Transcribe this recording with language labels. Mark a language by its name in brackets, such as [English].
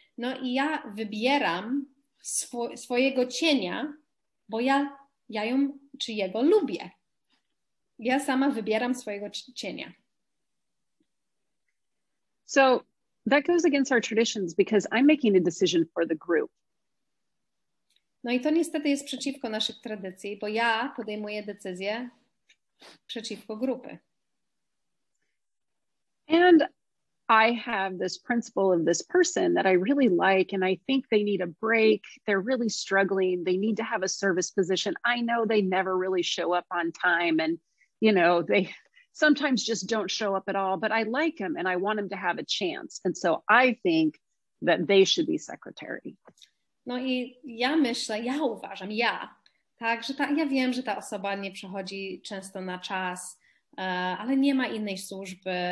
[Polish] No i ja wybieram swojego cienia, bo ja ją czy jego lubię. Ja sama wybieram swojego cienia. [English] So that goes against our traditions because I'm making a decision for the group. [Polish] No i to niestety jest przeciwko naszych tradycji, bo ja podejmuję decyzję przeciwko grupy. [English] And I have this principle of this person that I really like, and I think they need a break. They're really struggling. They need to have a service position. I know they never really show up on time, and you know, they sometimes just don't show up at all, but I like them and I want them to have a chance. And so I think that they should be secretary. [Polish] No i ja myślę, ja uważam, ja, tak, że ta, ja wiem, że ta osoba nie przychodzi często na czas, ale nie ma innej służby.